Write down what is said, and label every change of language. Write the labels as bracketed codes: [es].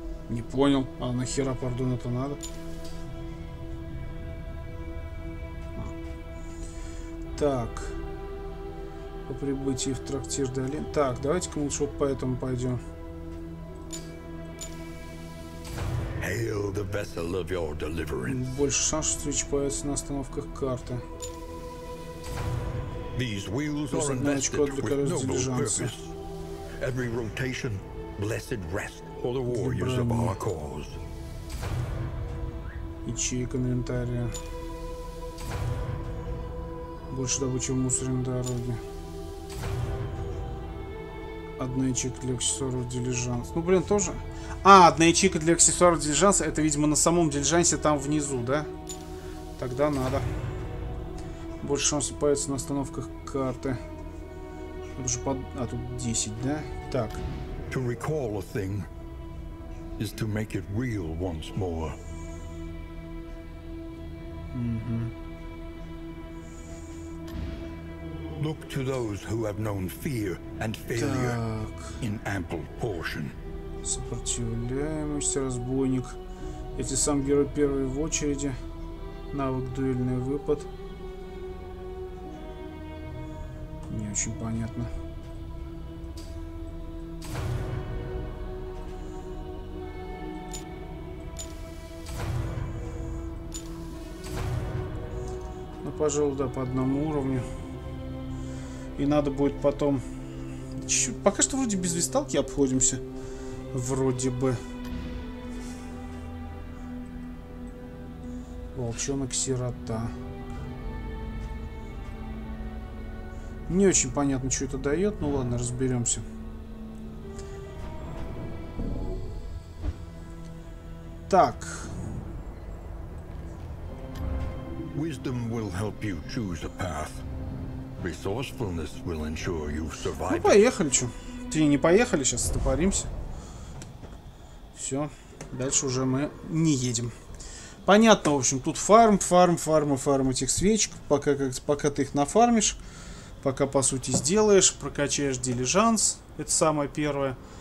[ru] Не понял. А нахера, пардон, это надо? А. Так. По прибытии в трактир Долин. Так, давайте-ка мы лучше вот по этому пойдем. [en] Hail the vessel of your deliverance. [ru] Больше шансов встречи появится на остановках карты. [en] These wheels are invested with noble purpose. Every rotation, blessed rest for the warriors of our cause. [ru] Ячейка инвентаря. Больше добычи в мусоре на дороге. Одна ячейка для аксессуаров дилижанс. Ну, блин, тоже. А, одна ячейка для аксессуаров дилижанс. Это, видимо, на самом дилижансе там внизу, да? Тогда надо. Больше шансов появится на остановках карты. Тут же под... А, тут 10, да? Так. [en] To recall a thing is to make it real once more. Mm-hmm. Look to those who have known fear and failure in ample portion. [ru] Сопротивляемость, разбойник. Если сам герой первый в очереди. Навык дуэльный выпад. Не очень понятно. Ну, пожалуй, да, по одному уровню. И надо будет потом... Пока что вроде без висталки обходимся. Вроде бы. Волчонок-сирота. Не очень понятно, что это дает. Ну ладно, разберемся. Так. [en] Wisdom will help you choose a path. Resourcefulness will ensure you survive. [ru] Ну поехали, чё? Ты не поехали, сейчас стопоримся. Все, дальше уже мы не едем. Понятно, в общем, тут фарм, фарм, фарм, фарм этих свечек. Пока, как, пока ты их нафармишь, пока по сути сделаешь, прокачаешь дилижанс. Это самое первое.